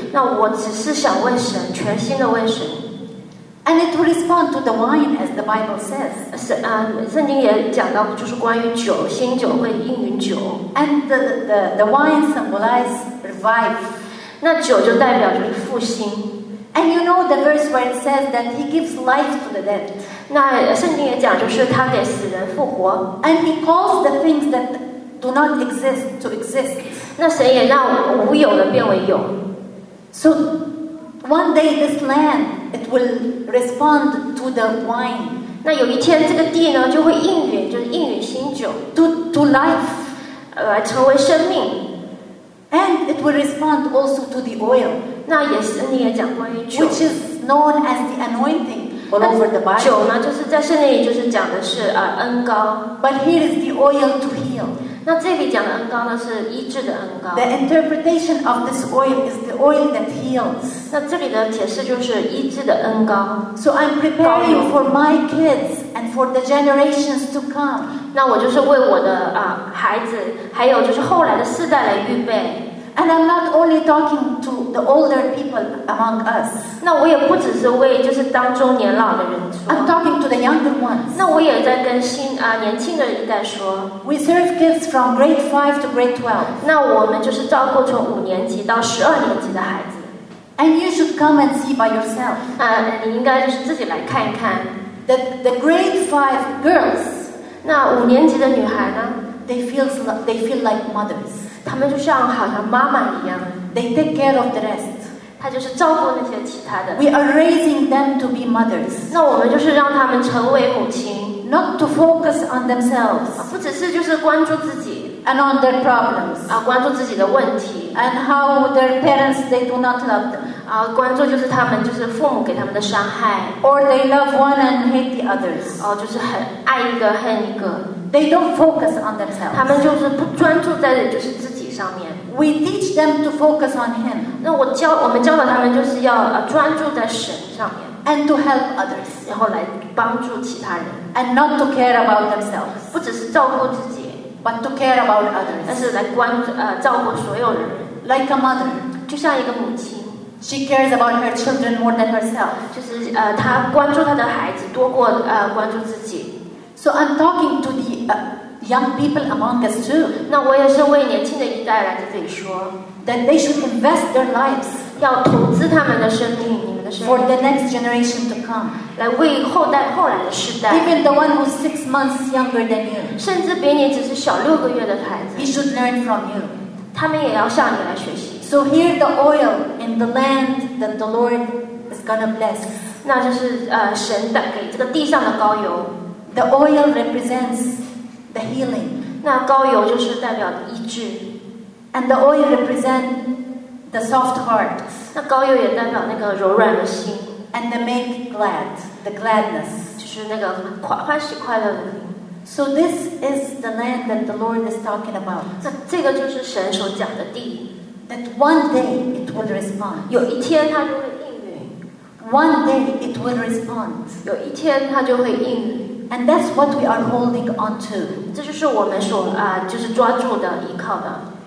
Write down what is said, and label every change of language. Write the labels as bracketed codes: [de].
[zh] 那我只是想问神，全心的问神。 [en] And it will respond to the wine, as the Bible says. [zh] 圣经也讲到，就是关于酒，新酒会应允酒。 [en] And the wine symbolize revive. [zh] 那酒就代表就是复兴。 [en] And you know the verse where it says that he gives life to the dead. [zh] 那圣经也讲，就是他给死人复活。 [en] And he calls the things that do not exist to exist. [zh] 那神也让无有的变为有。 [en] So one day this land it will respond to the wine. [zh] 那有一天这个地呢就会应允，就是应允新酒。 [en] To life, [zh] 成为生命。 [en] And it will respond also to the oil. [zh] 那也是圣经也讲关于酒 [en] which is known as the anointing all over the Bible. [zh] 酒呢，就是在圣经里就是讲的是恩膏 [en] But here is the oil to heal. [zh] 那这里讲的恩膏呢，是医治的恩膏 [en] The interpretation of this oil is the oil that heals. [zh] 那这里的解释就是医治的恩膏 [en] So I'm preparing for my kids and for the generations to come. [zh] 那我就是为我的孩子，还有就是后来的世代来预备。 [en] And I'm not only talking to the older people among us. [zh] 那我也不只是为就是当中年老的人说。 [en] I'm talking to the younger ones. [zh] 那我也在跟年轻的一代说。 [en] We serve kids from grade 5 to grade 12. [zh] 那我们就是照顾从五年级到十二年级的孩子。 [en] And you should come and see by yourself. [zh] 你应该就是自己来看一看。 [en] The grade five girls. [zh] 那五年级的女孩呢？ [en] They feel like mothers. [zh] 她们就像好像妈妈一样。 [en] They take care of the rest. [zh] 她就是照顾那些其他的。 [en] We are raising them to be mothers. [zh] 那我们就是让她们成为母亲。 [en] Not to focus on themselves. [zh] 不只是就是关注自己。 [en] And on their problems. [zh] 关注自己的问题。 [en] And how their parents they do not love them. [zh] 关注就是他们就是父母给他们的伤害。 [en] Or they love one and hate the others. [zh] 就是很爱一个恨一个。 [en] They don't focus on themselves. [zh] 他们就是不专注在就是自己上面。 [en] We teach them to focus on Him. [zh] 那我们教导他们就是要专注在神上面。 [en] And to help others. [zh] 然后来帮助其他人。 [en] And not to care about themselves. [zh] 不只是照顾自己。 [en] But to care about others. [zh] 但是来关照顾所有人。 [en] Like a mother. [zh] 就像一个母亲。 [en] She cares about her children more than herself. [zh] 就是她关注她的孩子多过关注自己。 [en] So I'm talking to the young people among us too. [zh] 那我也是为年轻的一代来这里说。 [en] That they should invest their lives. [zh] 要投资他们的生命。 [en] For the next generation to come, [zh] 来为后来的世代。 [en] Even the one who's 6 months younger than you, [zh] 甚至比你只是小六个月的孩子。 [en] He should learn from you. [zh] 他们也要向你来学习。 [en] So here the oil in the land that the Lord is gonna bless. [zh] 那就是神的给这个地上的膏油。 [en] The oil represents the healing. [zh] 那膏油就是代表医治。 [en] And the oil represents the soft heart. [zh] 那膏油也代表那个柔软的心 [en] ，and the make glad the gladness， [zh] 就是那个欢喜快乐的。 [en] So this is the land that the Lord is talking about。 [zh] 那这个就是神所讲的地。 [en] That one day it will respond。 [zh] 有一天它就会应允。 [en] One day it will respond。 [zh] 有一天它就会应允。 [en] And that's what we are holding onto。 [zh] 这就是我们所就是抓住的依靠的。